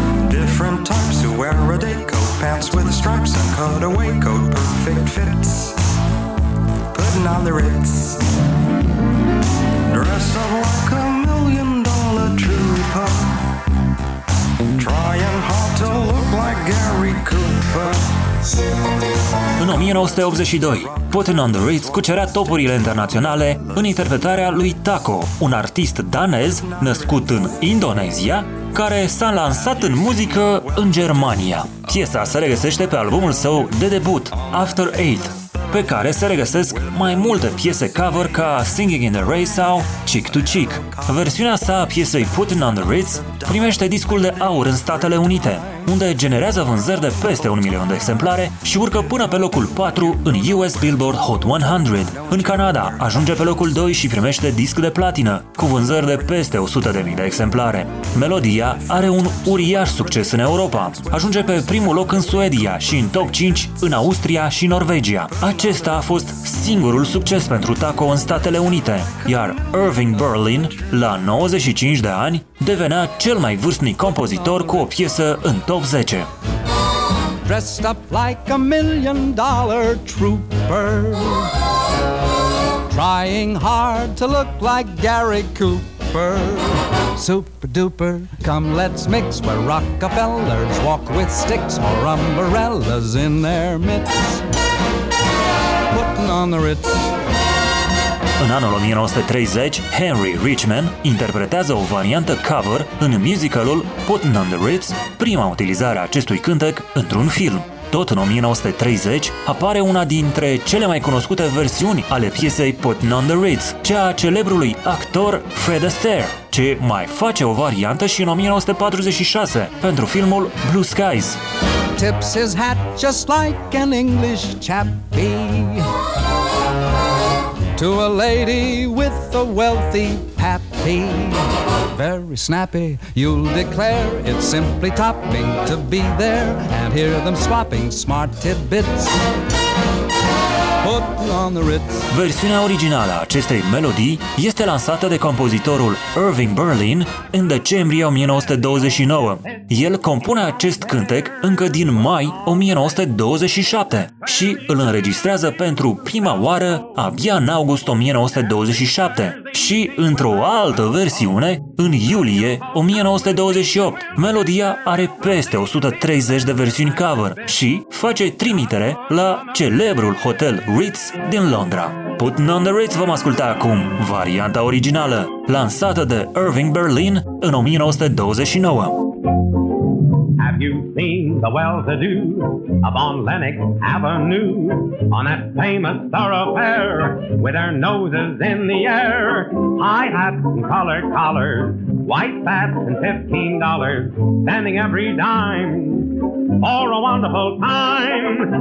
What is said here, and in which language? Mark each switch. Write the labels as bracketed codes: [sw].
[en] Different types who wear a day coat, pants with stripes and cutaway coat, perfect fits, putting on the Ritz. Dress up like a $1 million trooper, trying hard to look like Gary Cooper. [ro] În 1982, Putting on the Ritz cucerea topurile internaționale în interpretarea lui Taco, un artist danez născut în Indonezia, care s-a lansat în muzică în Germania. Piesa se regăsește pe albumul său de debut, After Eight, pe care se regăsesc mai multe piese cover ca Singing in the Rain sau Cheek to Cheek. Versiunea sa a piesei Putting on the Ritz primește discul de aur în Statele Unite, unde generează vânzări de peste 1 milion de exemplare și urcă până pe locul 4 în US Billboard Hot 100. În Canada ajunge pe locul 2 și primește disc de platină, cu vânzări de peste 100.000 de exemplare. Melodia are un uriaș succes în Europa. Ajunge pe primul loc în Suedia și în top 5 în Austria și Norvegia. Acesta a fost singurul succes pentru Taco în Statele Unite, iar Irving Berlin, la 95 de ani, devenea cel mai vârstnic compozitor cu o piesă în top 10. [en] Dressed up like a $1 million trooper, trying hard to look like Gary Cooper. Super duper, come let's mix, where Rockefellers walk with sticks or umbrellas in their mitts. Putting on the Ritz. [ro] În anul 1930, Henry Richman interpretează o variantă cover în musicalul Putting on the Ritz, prima utilizare a acestui cântec într-un film. Tot în 1930 apare una dintre cele mai cunoscute versiuni ale piesei Putting on the Ritz, cea a celebrului actor Fred Astaire, ce mai face o variantă și în 1946 pentru filmul Blue Skies. [en] Tips his hat just like an English chappy to a lady with a wealthy pappy. Very snappy, you'll declare, it's simply topping to be there and hear them swapping smart tidbits. Putting on the Ritz. [ro] Versiunea originală a acestei melodii este lansată de compozitorul Irving Berlin în decembrie 1929. El compune acest cântec încă din mai 1927 și îl înregistrează pentru prima oară abia în august 1927 și într-o altă versiune în iulie 1928. Melodia are peste 130 de versiuni cover și face trimitere la celebrul hotel Ritz din Londra. Putting on the Ritz vom asculta acum, varianta originală, lansată de Irving Berlin în 1929. [en] Have you seen the well-to-do up on Lenox Avenue, on that famous thoroughfare, with their noses in the air? High hats and colored collars, white hats and $15, spending every dime for a wonderful time.